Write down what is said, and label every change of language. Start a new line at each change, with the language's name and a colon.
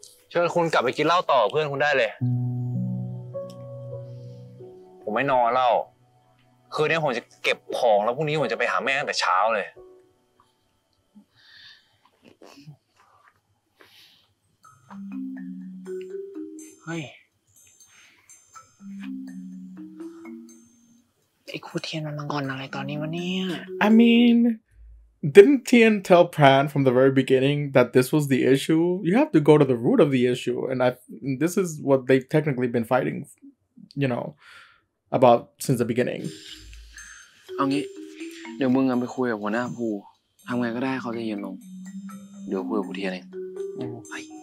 Thai: เชิญคุณกลับไปกินเหล้าต่อเพื่อนคุณได้เลยผมไม่นอนเหล้าคืนนี้ผมจะเก็บของแล้วพรุ่งนี้ผมจะไปหาแม่ตั้งแต่เช้าเลย เฮ้ยไอ้ครูเทียนมันมางอนอะไรตอนนี้วะเนี่ย
English: I mean didn't Tian tell Pran from the very beginning that this was the issue you have to go to the root of the issue and this is what they've technically been fighting you know about since the beginning
Thai: เอางี้เดี๋ยวมึงไปคุยกับหัวหน้าภูทำไงก็ได้เขาจะเย็นลงเดี๋ยวคุยกับครูเทียนเองไป